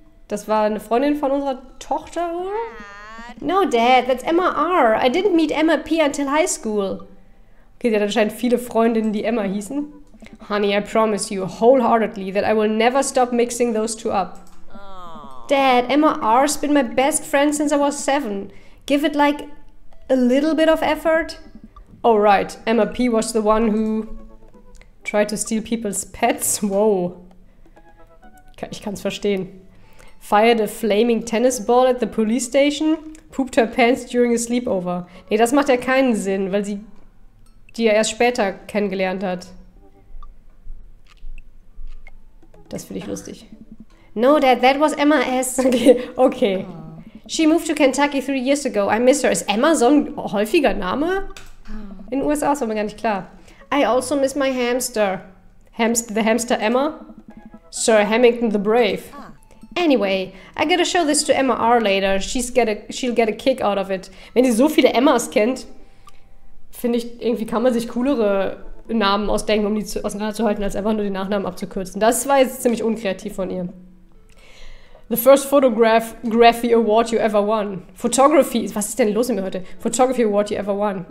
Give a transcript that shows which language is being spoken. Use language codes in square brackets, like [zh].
[de] Das war eine Freundin von unserer Tochter, oder? [en] No, Dad, that's Emma R. I didn't meet Emma P. until high school. [de] Okay, sie hat anscheinend viele Freundinnen, die Emma hießen. [en] Honey, I promise you wholeheartedly that I will never stop mixing those two up. Oh. Dad, Emma R.'s been my best friend since I was 7. Give it, like, a little bit of effort. Oh, right. Emma P. was the one who tried to steal people's pets. Whoa. [de] Ich kann's verstehen. [en] Fired a flaming tennis ball at the police station. Pooped her pants during a sleepover. [de] Nee, das macht ja keinen Sinn, weil sie die ja erst später kennengelernt hat. Das finde ich lustig. [en] No, Dad, that was Emma S. Okay. She moved to Kentucky 3 years ago. I miss her. [de] Ist Emma so ein häufiger Name? In den USA ist aber gar nicht klar. [en] I also miss my hamster. The hamster Emma? Sir Hamilton the Brave. Anyway, I gotta show this to Emma R. later. She'll get a kick out of it. [de] Wenn sie so viele Emmas kennt, finde ich, irgendwie kann man sich coolere Namen ausdenken, um die auseinanderzuhalten, als einfach nur den Nachnamen abzukürzen. Das war jetzt ziemlich unkreativ von ihr. [en] The first photography award you ever won. [de] Photography, was ist denn los mit mir heute? [en] Photography award you ever won.